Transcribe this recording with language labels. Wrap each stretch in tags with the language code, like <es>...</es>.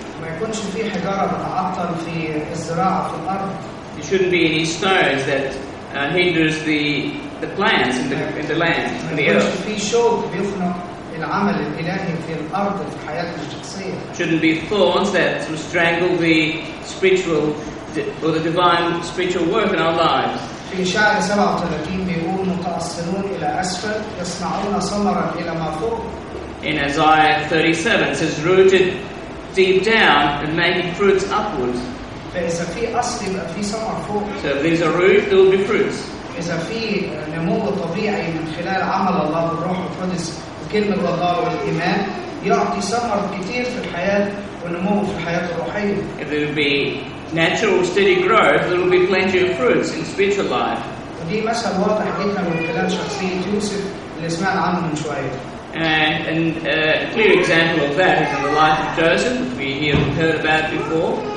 <ar>ما يكونش في حجارة بتعطل في الزراعة في الأرض.</ar> <en>There shouldn't be any stones that hinders the plants in the land, in the earth.</en> <ar>ما يكونش في شوك بيفنق العمل الإلهي في الأرض في حياتنا الشخصية.</ar> <en>Shouldn't be thorns that strangle the spiritual or the divine spiritual work in our lives.</en> <ar>في إشعياء 37 بيقول متأصلون إلى أسفل يصنعون ثمرا إلى ما فوق.</ar> <en>In Isaiah 37 it says rooted deep down and making fruits upwards.</en> <ar>فإذا في أصل يبقى في ثمر فوق.</ar> <en>So if there's a root, there will be fruits.</en> <ar>إذا في نمو طبيعي من خلال عمل الله بالروح القدس وكلمة الله والإيمان يعطي ثمر كتير في الحياة ونمو في الحياة الروحية.</ar> <en>If there will be natural steady growth, there will be plenty of fruits in spiritual life.</en> <ar>ودي مثل واضح جدا من خلال شخصية يوسف اللي سمعنا عنه من شوية.</ar> <en>And a clear example of that is in the life of Joseph, which we have heard about before.</en>